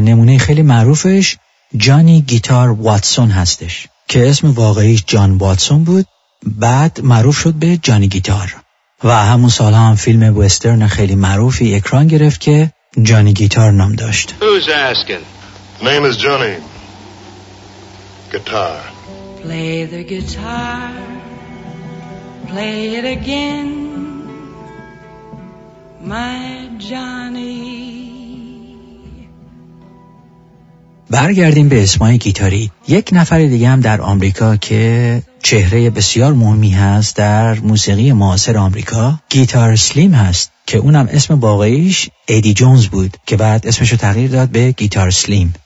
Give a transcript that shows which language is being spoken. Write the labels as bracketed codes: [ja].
[fa] نمونه خیلی معروفش جانی گیتار واتسون هستش که اسم واقعیش جان واتسون بود، بعد معروف شد به جانی گیتار. و همون سال هم فیلم وسترن خیلی معروفی اکران گرفت که جانی گیتار نام داشت. [en] Who's asking? Name is Johnny. Guitar. Play the guitar, play it again, my Johnny. [fa] برگردیم به اسمای گیتاری. یک نفر دیگه هم در آمریکا که چهره بسیار مهمی هست در موسیقی معاصر آمریکا گیتار سلیم هست که اونم اسم واقعیش ادی جونز بود که بعد اسمش رو تغییر داد به گیتار سلیم.